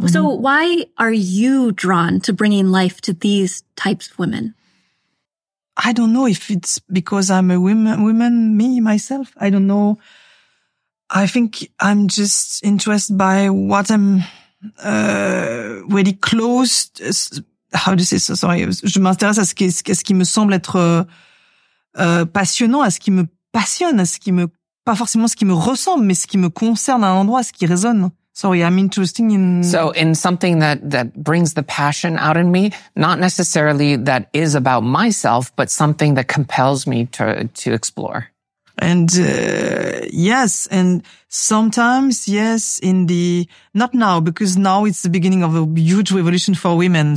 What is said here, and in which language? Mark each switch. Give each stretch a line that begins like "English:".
English: So why are you drawn to bringing life to these types of women? I don't know if it's because I'm a woman, me, myself. I don't know. I think I'm just interested by what I'm really close. How do you say? Sorry.
French: Je m'intéresse à ce qui me semble être passionnant, à ce qui me passionne, à ce qui me... Pas forcément ce qui me ressemble, mais ce qui me concerne à un endroit, ce qui résonne.
English: Sorry, I'm interested in... So in something that brings the passion out in me, not necessarily that is about myself, but something that compels me to explore. And yes, and sometimes, yes, in the... Not now, because now it's the beginning of a huge revolution for women.